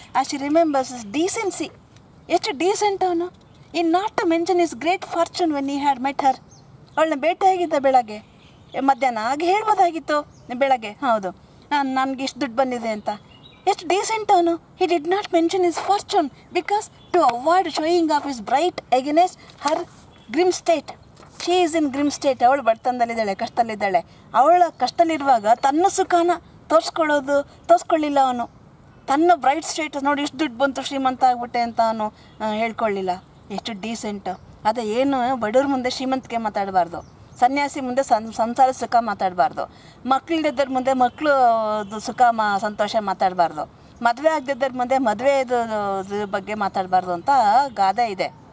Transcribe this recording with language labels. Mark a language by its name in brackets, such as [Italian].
[English] ಆ she remembers his decency, [Kannada] ಎಷ್ಟು decent ಅವನು. [English] in not to mention his great fortune when he had met her, [Kannada] ಅವಳನ್ನ ಭೇಟಿಯಾಗಿದ್ದ ಬೆಳಗ್ಗೆ ಮಧ್ಯಾಹ್ನ ಹಾಗೆ ಹೇಳ್ಬೋದಾಗಿತ್ತು ಬೆಳಗ್ಗೆ, ಹೌದು ನನಗೆ ಇಷ್ಟು ದುಡ್ಡು ಬಂದಿದೆ ಅಂತ. ಎಷ್ಟು ಡೀಸೆಂಟ್ ಅವನು, [English] He did not mention his fortune because to avoid showing off his bright against her grim state. She is in grim state. [Kannada] ಅವಳು ಬಡತನದಲ್ಲಿದ್ದಾಳೆ, ಕಷ್ಟದಲ್ಲಿದ್ದಾಳೆ. ಅವಳ ಕಷ್ಟದಲ್ಲಿರುವಾಗ ತನ್ನ ಸುಖಾನ ತೋರಿಸ್ಕೊಳ್ಳೋದು ತೋರಿಸ್ಕೊಳ್ಳಿಲ್ಲ ಅವನು. ತನ್ನ ಬ್ರೈಟ್ ಸ್ಟೇಟ್ ನೋಡಿ ಎಷ್ಟು ದುಡ್ಡು ಬಂತು, ಶ್ರೀಮಂತ ಆಗ್ಬಿಟ್ಟೆ ಅಂತ ಅವನು ಹೇಳ್ಕೊಳ್ಳಿಲ್ಲ. ಎಷ್ಟು ಡೀಸೆಂಟ್ ಅದ. ಏನು ಬಡವ್ರ ಮುಂದೆ ಶ್ರೀಮಂತಕ್ಕೆ ಮಾತಾಡಬಾರ್ದು, ಸನ್ಯಾಸಿ ಮುಂದೆ ಸಂಸಾರ ಸುಖ ಮಾತಾಡಬಾರ್ದು, ಮಕ್ಕಳಿದ್ದರ ಮುಂದೆ ಮಕ್ಕಳು ಸುಖ ಸಂತೋಷ ಮಾತಾಡಬಾರ್ದು, ಮದುವೆ ಆಗದಿದ್ದರ ಮುಂದೆ ಮದುವೆ ಬಗ್ಗೆ ಮಾತಾಡಬಾರ್ದು ಅಂತ ಗಾದೆ ಇದೆ.